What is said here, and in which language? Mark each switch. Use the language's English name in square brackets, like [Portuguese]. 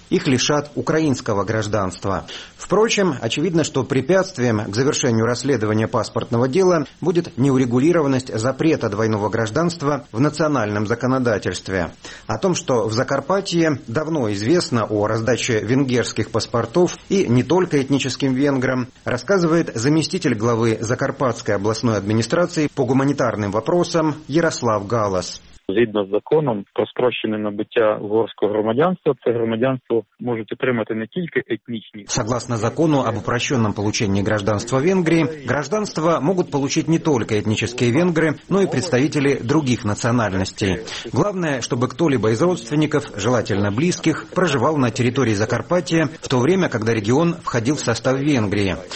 [Russian] Их лишат украинского гражданства. Впрочем, очевидно, что препятствием к завершению расследования паспортного дела будет неурегулированность запрета двойного гражданства в национальном законодательстве. О том, что в Закарпатье давно известно о раздаче венгерских паспортов и не только этническим венграм, рассказывает заместитель главы Закарпатской областной администрации по гуманитарным вопросам Ярослав Галас. [Ukrainian] згідно з законом про спрощене набуття угорського громадянства, це громадянство можуть отримати не тільки етнічні. [Russian] Согласно закону об упрощенном получении гражданства Венгрии, гражданство могут получить не только этнические венгры, но и представители других национальностей. Главное, чтобы кто-либо из родственников, желательно близких, проживал на территории Закарпатья в то время, когда регион входил в состав Венгрии.